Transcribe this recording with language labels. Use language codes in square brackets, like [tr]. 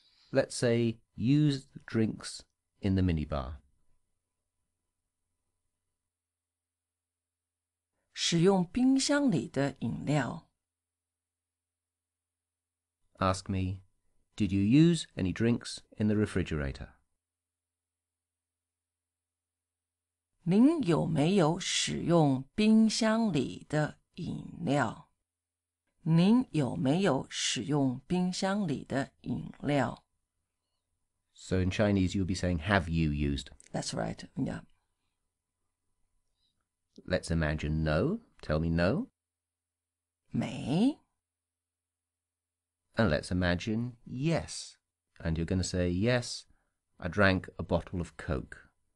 [en] Let's say, use drinks in the minibar. [zh] 使用冰箱里的饮料。 [en] Ask me, did you use any drinks in the refrigerator? [zh] 您有没有使用冰箱里的饮料？您有没有使用冰箱里的饮料？ [en] So in Chinese, you'll be saying, have you used? That's right, yeah. Let's imagine no. Tell me no. [zh] 没。 [en] And let's imagine yes. And you're going to say, yes, I drank a bottle of Coke.